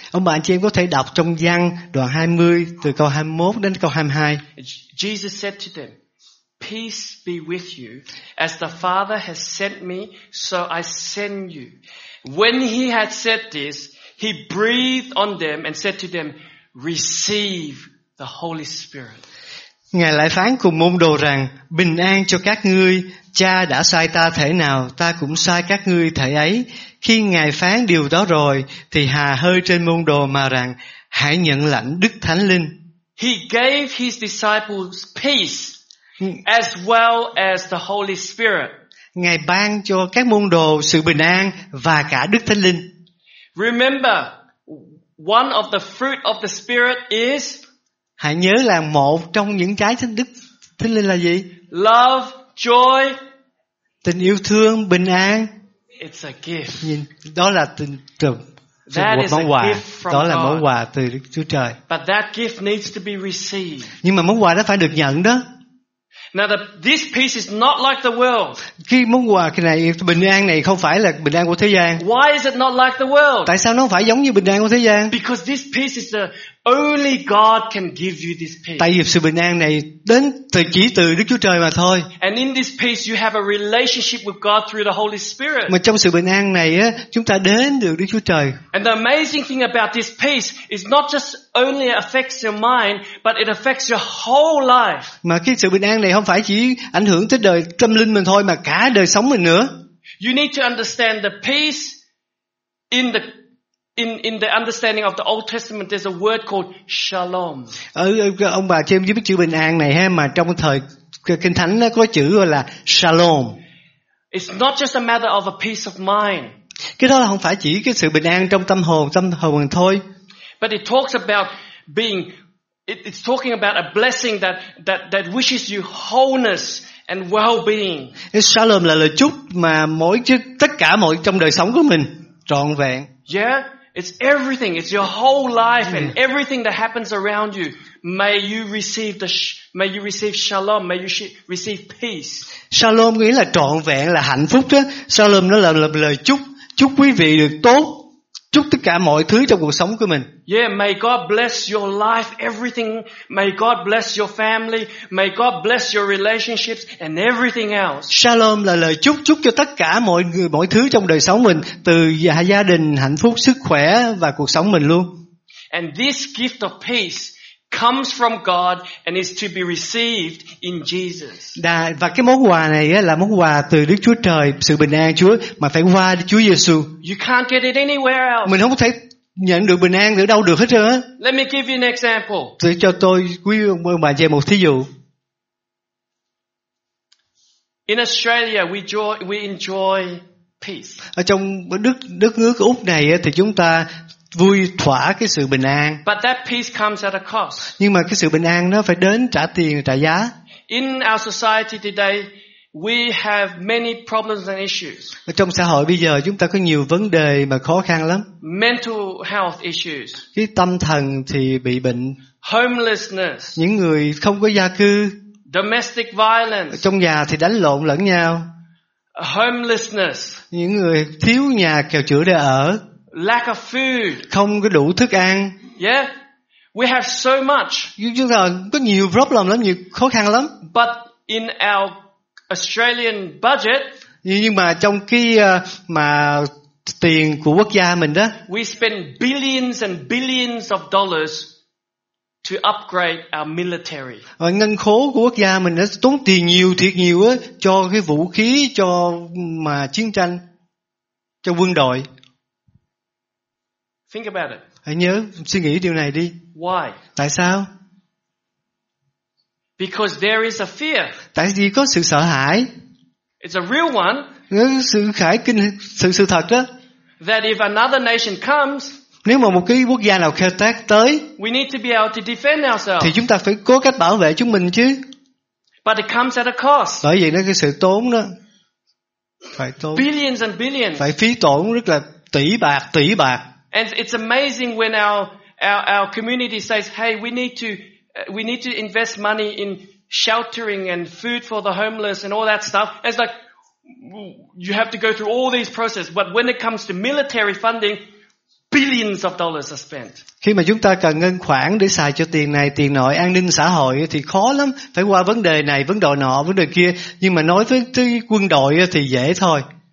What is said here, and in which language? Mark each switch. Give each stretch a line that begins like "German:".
Vietnamese: Ông bà anh chị em có thể đọc trong Giăng đoạn 20 từ câu 21 đến câu 22.
English: Jesus said to them, peace be with you. As the Father has sent me, so I send you. When he had said this, he breathed on them and said to them, receive the Holy Spirit.
Vietnamese: Ngài lại phán cùng môn đồ rằng, bình an cho các ngươi. Cha đã sai ta thể nào, ta cũng sai các ngươi thể ấy. Khi Ngài phán điều đó rồi, thì hà hơi trên môn đồ mà rằng, hãy nhận lãnh Đức Thánh Linh.
English: He gave his disciples peace. As well as the Holy Spirit.
Vietnamese: Ngài ban cho các môn đồ sự bình an và cả Đức Thánh Linh.
English: Remember, one of the fruit of the Spirit is.
Vietnamese: Hãy nhớ là một trong những trái thánh Đức Thánh Linh là gì?
English: Love, joy.
Vietnamese: Tình yêu thương, bình an.
English: It's a gift.
Vietnamese: Nhìn, đó là tình trường.
English: That is a
Vietnamese: quà.
English: Gift from
Vietnamese: đó là món quà từ Đức Chúa Trời.
English: But that gift needs to be received.
Vietnamese: Nhưng mà món quà đó phải được nhận đó.
English: Now this peace is not like the world.
Vietnamese: Cái món quà này, bình an này không phải là bình an của thế gian.
English: Why is it not like the world?
Vietnamese: Tại sao nó không phải giống như bình an của thế gian?
English: Because this peace is the only God can give you this peace.
Vietnamese: Tại vì sự bình an này đến từ chỉ từ Đức Chúa Trời mà thôi.
English: And in this peace you have a relationship with God through the Holy Spirit.
Vietnamese: Mà trong sự bình an này á, chúng ta đến được Đức Chúa Trời.
English: And the amazing thing about this peace is not just only affects your mind, but it affects your whole life.
Vietnamese: Mà cái sự bình an này không phải chỉ ảnh hưởng tới đời tâm linh mình thôi mà cả đời sống mình nữa.
English: You need to understand the peace in the In the understanding of the Old Testament, there's a word called shalom.
Vietnamese: Ông bà chị em biết chữ bình an này ha, mà trong thời Kinh Thánh nó có chữ gọi là shalom.
English: It's not just a matter of a peace of mind.
Vietnamese: Cái đó là không phải chỉ cái sự bình an trong tâm hồn mình thôi.
English: But it talks about being. It's talking about a blessing that wishes you wholeness. And well-being.
Vietnamese: Shalom là lời chúc mà tất cả mọi trong đời sống của mình trọn vẹn.
English: Yeah, it's everything. It's your whole life and everything that happens around you. May you receive shalom. May you receive peace.
Vietnamese: Shalom nghĩa là trọn vẹn, là hạnh phúc đó. Shalom nó là lời chúc, chúc quý vị được tốt, chúc tất cả mọi thứ trong cuộc sống của mình.
English: Yeah, may God bless your life, everything. May God bless your family. May God bless your relationships and everything else.
Vietnamese: Shalom là lời chúc cho tất cả mọi người, mọi thứ trong đời sống mình, từ gia đình, hạnh phúc, sức khỏe và cuộc sống mình luôn.
English: And this gift of peace comes from God and is to be received in Jesus.
Vietnamese: Và cái món quà này là món quà từ Đức Chúa Trời, sự bình an Chúa mà phải qua Đức Chúa Giêsu.
English: You can't get it anywhere else.
Vietnamese: Mình không thể nhận được bình an ở đâu được hết trơn á.
English: Let me give you an example.
Vietnamese: Tôi cho tôi quý ông bà về một thí dụ.
English: In Australia we enjoy peace.
Vietnamese: Ở trong đất nước Úc này thì chúng ta vui thỏa cái sự bình an.
English: But that peace comes at a cost.
Vietnamese: Nhưng mà cái sự bình an nó phải đến trả tiền trả giá.
English: In our society today we have many problems and issues.
Vietnamese: Ở trong xã hội bây giờ chúng ta có nhiều vấn đề mà khó khăn lắm.
English: Mental health issues.
Vietnamese: Cái tâm thần thì bị bệnh.
English: Homelessness.
Vietnamese: Những người không có gia cư.
English: Domestic violence.
Vietnamese: Trong nhà thì đánh lộn lẫn nhau.
English: Homelessness.
Vietnamese: Những người thiếu nhà kèo chữa để ở.
English: Lack of food.
Vietnamese: Không có đủ thức ăn.
English: Yeah. We have so much.
Vietnamese: Chúng ta có nhiều problem lắm, nhiều khó khăn lắm.
English: But in our Australian budget.
Vietnamese: Nhưng mà trong cái mà tiền của quốc gia mình đó.
English: We spend billions and billions of dollars to upgrade our military.
Vietnamese: Ngân khố của quốc gia mình đã tốn tiền nhiều thiệt nhiều á cho cái vũ khí, cho mà chiến tranh, cho quân đội.
English: Think about it.
Vietnamese: Hãy nhớ suy nghĩ điều này đi.
English: Why?
Vietnamese: Tại sao?
English: Because there is a fear.
Vietnamese: Tại vì có sự sợ hãi.
English: It's a real one.
Vietnamese: Sự khải kinh sự thật đó.
English: That if another nation comes.
Vietnamese: Nếu mà một cái quốc gia nào khai thác tới.
English: We need to be able to defend ourselves.
Vietnamese: Thì chúng ta phải cố cách bảo vệ chúng mình chứ.
English: But it comes at a cost.
Vietnamese: Bởi vì nó cái sự tốn đó. Phải tốn.
English: Billions and billions.
Vietnamese: Phải phí tổn rất là tỷ bạc tỷ bạc.
English: And it's amazing when our community says, "Hey, we need to invest money in sheltering and food for the homeless and all that stuff." And it's like you have to go through all these processes, but when it comes to military funding, billions of dollars are spent.
Vietnamese: Khi mà chúng ta cần ngân khoản để xài cho tiền này, tiền nọ, an ninh xã hội thì khó lắm, phải qua vấn đề này, vấn đề nọ, vấn đề kia. Nhưng mà nói với quân đội thì dễ thôi.